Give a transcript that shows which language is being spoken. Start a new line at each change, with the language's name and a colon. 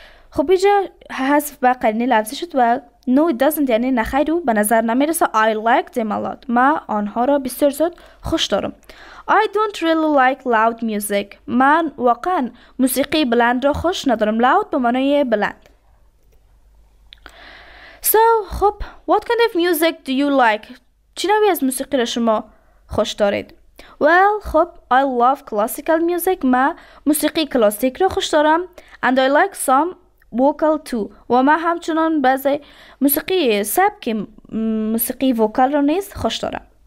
Persian: خب اینجا حذف به قرینه لفظی شد و
English: No it doesn't
Persian: یعنی نخیر و به نظر نمیرسه.
English: I like them a lot.
Persian: ما آنها را بسیار زود خوش دارم.
English: I don't really like loud music.
Persian: من واقعا موسیقی بلند را خوش ندارم. Loud به معنی بلند.
English: So
Persian: خب
English: What kind of music do you like?
Persian: چی نوعی از موسیقی را شما خوش دارید؟
English: Well،
Persian: خب
English: I love classical music.
Persian: ما موسیقی کلاسیک را خوش دارم.
English: And I like some vocal too.
Persian: و ما همچنان بعضی موسیقی سبک موسیقی وکال را نیز خوش دارم.